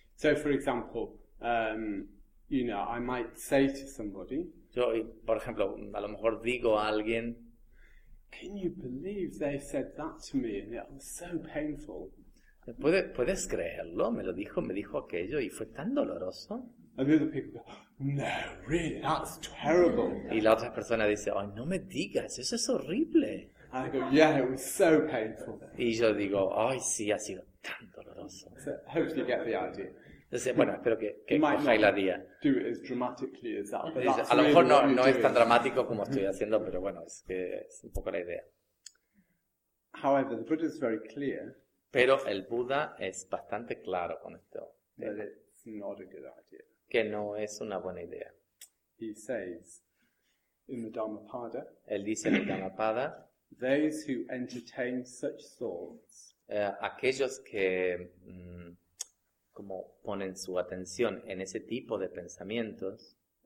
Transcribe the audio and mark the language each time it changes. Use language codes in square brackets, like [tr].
[en] So, for example, you know, I might say to somebody. [es] Yo, por ejemplo, a lo mejor digo a alguien. [en] Can you believe they said that to me? And it was so painful. [es] ¿Puedes creerlo? Me dijo aquello y fue tan doloroso. [en] And the other people go, no, really, that's terrible. [es] Y la otra persona dice, ay, no me digas, eso es horrible. [en] And I go, yeah, it was so painful. [es] Y yo digo, ay, sí, ha sido tan doloroso. [en] So hopefully you get the idea. [es] Entonces, bueno, espero que cojáis la idea. [en] Do it as dramatically as that, but [es] a lo mejor no es tan dramático como estoy haciendo, pero bueno, es que es un poco la idea. [en] However, the Buddha is very clear. [es] Pero el Buda es bastante claro con esto. [en] That it's not a good idea. [es] Que no es una buena idea. [en] He says in the Dhammapada. [es] Él dice en el Dhammapada. [en] Those who entertain such thoughts. [es] Aquellos que como ponen su atención en ese tipo de pensamientos.